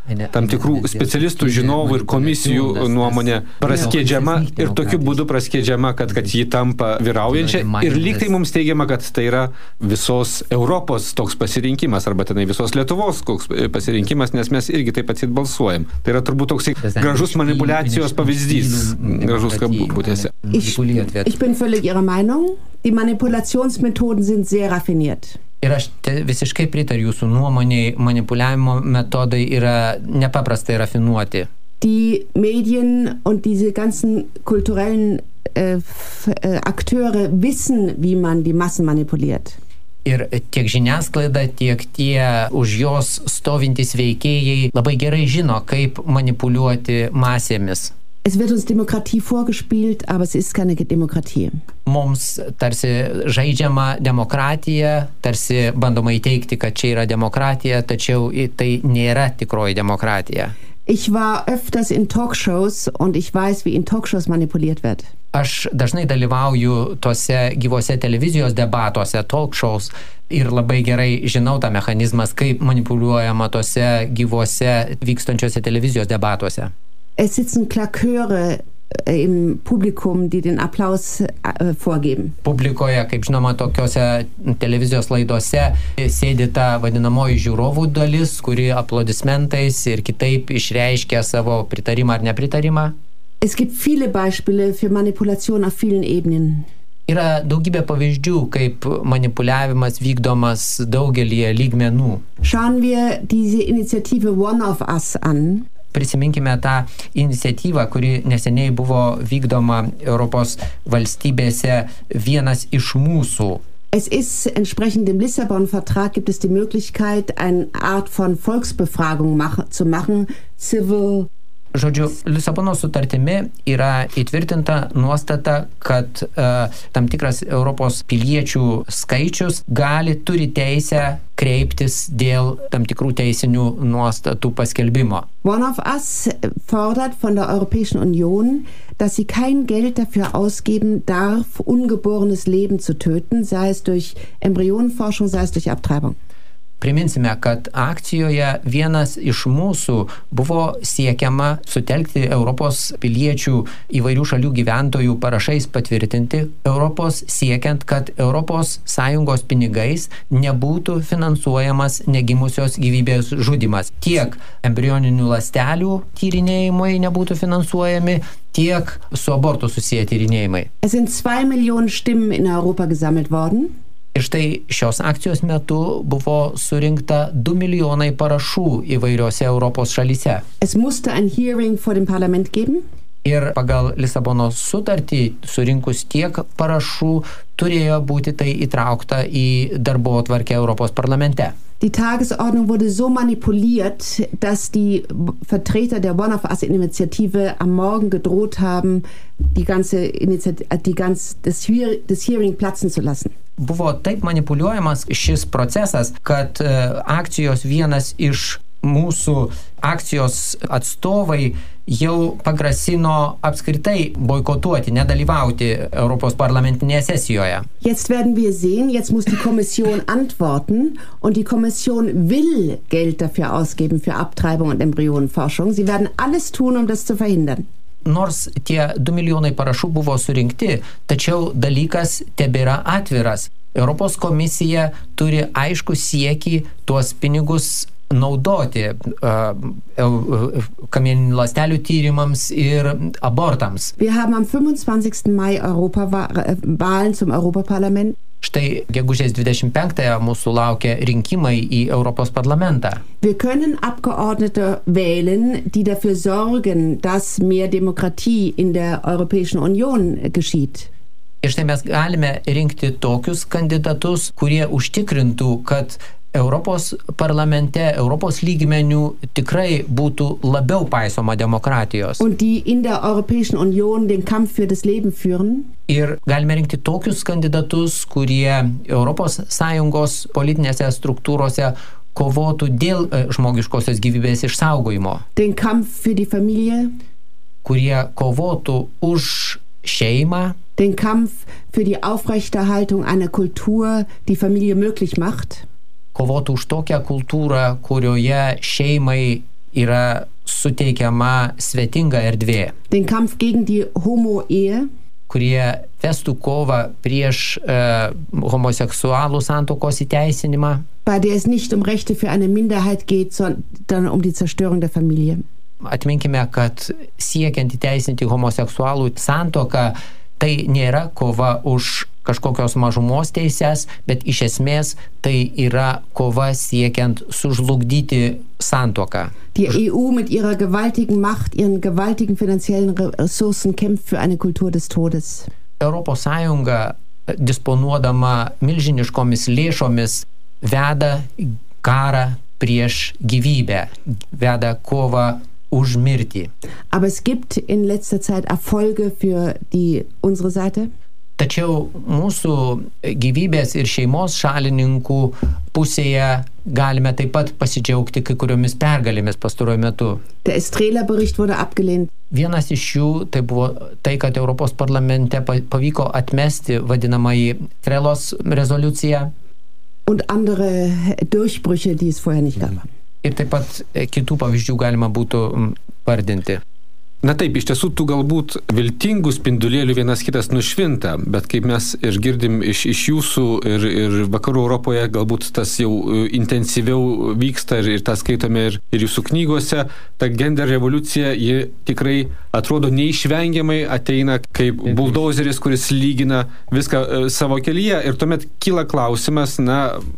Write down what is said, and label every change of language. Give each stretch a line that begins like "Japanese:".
Lithuanian: tam tikrų specialistų žinovų ir komisijų nuomonė praskėdžiama ir tokiu būdu praskėdžiama, kad ji tampa vyraujančia ir lygtai mums teigiama, kad tai yra visos Europos toks pasirinkimas arba tenai visos Lietuvos koks pasirinkimas, nes mes irgi taip pat balsuojam. Tai yra turbūt toks gražus manipuliacijos pavyzdys, gražus kabutėse.
German: Ich bin völlig ihrer Meinung, die Manipulationsmethoden sind sehr raffiniert.
Lithuanian: Ir aš visiškai pritariu jūsų nuomonei, manipuliavimo metodai yra nepaprastai rafinuoti.
German: Die Medien und diese ganzen kulturellen Akteure wissen, wie man die Massen manipuliert.
Lithuanian: Ir tiek žiniasklaida, tiek tie už jos stovintys veikėjai labai gerai žino, kaip manipuliuoti masėmis.
German: Es wird uns Demokratie vorgespielt, aber es ist keine Demokratie.
Lithuanian: Mums tarsi žaidžiama demokratija, tarsi bandoma įteikti, kad čia yra demokratija, tačiau tai nėra tikroji demokratija.
German: Ich war öfters in Talkshows und ich weiß, wie in Talkshows manipuliert wird.
Lithuanian: Aš dažnai dalyvauju tose gyvose televizijos debatuose, talkshows, ir labai gerai žinau tą mechanizmą, kaip manipuliuojama tose gyvose vykstančiose televizijos debatuose.
German: Es sitzen Klaköre im Publikum, die den Applaus vorgeben.
Lithuanian: Publikoje, kaip žinoma, tokiose televizijos laidose sėdi ta vadinamoji žiūrovų dalis, kuri aplodismentais ir kitaip išreiškia savo pritarimą ar nepritarimą.
German: Es gibt viele Beispiele für Manipulation auf vielen Ebenen.
Lithuanian: Yra daugybė pavyzdžių, kaip manipuliavimas vykdomas daugelyje lygmenų.
German: Schauen wir diese Initiative One of Us an.
Lithuanian: prisiminkime tą iniciatyvą, kuri neseniai buvo vykdoma Europos valstybėse vienas iš mūsų.
German: Es ist entsprechend dem Lissabon-Vertrag gibt es die Möglichkeit, eine Art von Volksbefragung zu machen, civil.
Lithuanian: Žodžiu, Lisabono sutartimi yra įtvirtinta nuostata, kad tam tikras Europos piliečių skaičius gali turi teisę kreiptis dėl tam tikrų teisinių nuostatų paskelbimo.
German: One of us fordert von der Europäischen Union, dass sie kein Geld dafür ausgeben darf, ungeborenes Leben zu töten, sei es durch Embryonenforschung, sei es durch Abtreibung.
Lithuanian: Priminsime, kad akcijoje vienas iš mūsų buvo siekiama sutelkti Europos piliečių įvairių šalių gyventojų parašais patvirtinti Europos siekiant, kad Europos Sąjungos pinigais nebūtų finansuojamas negimusios gyvybės žudimas. Tiek embrioninių ląstelių tyrinėjimai nebūtų finansuojami, tiek su abortu susiję tyrinėjimai.
German: Es sind 2 Millionen Stimmen in Europa gesammelt worden.
Lithuanian: Ir štai šios akcijos metu buvo surinkta 2 milijonai parašų įvairiose Europos šalyse.
German: Es musste ein Hearing vor dem Parlament geben.
Lithuanian: Ir pagal Lisabono sutartį, surinkus tiek parašų, turėjo būti tai įtraukta į darbotvarkę Europos parlamente.
German: Die Tagesordnung wurde so manipuliert, dass die Vertreter der One of Us Initiative am Morgen gedroht haben, das Hearing platzen zu lassen.
Lithuanian: Buvo taip manipuliuojamas šis procesas, kad akcijos vienas iš mūsų akcijos atstovai jau pagrasino apskritai boikotuoti, nedalyvauti Europos parlamentinėje sesijoje.
German: Jetzt werden wir sehen, jetzt muss die Kommission antworten und die Kommission will Geld dafür ausgeben für Abtreibung und Embryonenforschung. Sie werden alles tun, um das zu verhindern.
Lithuanian: Nors tie 2 milijonai parašų buvo surinkti, tačiau dalykas tebėra atviras. Europos komisija turi aišku siekį tuos pinigus naudoti kamieninių ląstelių tyrimams ir abortams.
German: Wir haben am 25. Mai Europawahlen zum Europaparlament.
Lithuanian: Štai gegužės 25-ąją mūsų laukia rinkimai į Europos parlamentą.
German: Wir können Abgeordnete wählen, die dafür sorgen, dass mehr Demokratie in der Europäischen Union geschieht.
Lithuanian: Ir štai mes galime rinkti tokius kandidatus, kurie užtikrintų, kad Europos parlamente, Europos lygmeniu tikrai būtų labiau paisoma demokratijos.
German: Und die in der Europäischen Union den Kampf für das Leben führen.
Lithuanian: Ir galime rinkti tokius kandidatus, kurie Europos Sąjungos politinėse struktūrose kovotų dėl žmogiškosios gyvybės išsaugojimo.
German: Den Kampf für die Familie.
Lithuanian: Kurie kovotų už šeimą.
German: Den Kampf für die Aufrechterhaltung einer Kultur, die Familie möglich macht.
Lithuanian: Kovotų už tokią kultūrą, kurioje šeimai yra suteikiama svetinga erdvė.
German: Den Kampf gegen die Homo-Ehe.
Lithuanian: Kurie vestų kovą prieš homoseksualų santuokos įteisinimą.
German: Bei der es nicht um Rechte für eine Minderheit geht, sondern um die Zerstörung der Familie.
Lithuanian: Atminkime, kad siekiant įteisinti homoseksualų santuoką, tai nėra kova už kažkokios mažumos teisės, bet iš esmės tai yra kova siekiant sužlugdyti santuoką.
German: Die EU mit ihrer gewaltigen Macht, ihren gewaltigen finanziellen Ressourcen kämpft für eine Kultur des Todes.
Lithuanian: Europos Sąjunga disponuodama milžiniškomis lėšomis veda karą prieš gyvybę, veda kovą už mirtį.
German: Aber es gibt in letzter Zeit Erfolge für die unsere Seite.
Lithuanian: Tačiau mūsų gyvybės ir šeimos šalininkų pusėje galime taip pat pasidžiaugti kai kuriomis pergalėmis pastaruoju metu.
German: Der Estrela-Bericht wurde abgelehnt.
Lithuanian: Vienas iš jų tai buvo tai, kad Europos parlamente pavyko atmesti vadinamąjį Trelos rezoliuciją.
German: Und andere Durchbrüche, die es vorher nicht gab.
Lithuanian: Ir taip pat kitų pavyzdžių galima būtų vardinti. Na taip, iš tiesų tų galbūt viltingų spindulėlių vienas kitas nušvinta, bet kaip mes ir girdim iš jūsų ir vakarų Europoje, galbūt tas jau intensyviau vyksta ir tą skaitome ir jūsų knygose, ta gender revoliucija, ji tikrai atrodo neišvengiamai ateina kaip buldozeris, kuris lygina viską savo kelyje ir tuomet kyla klausimas, na,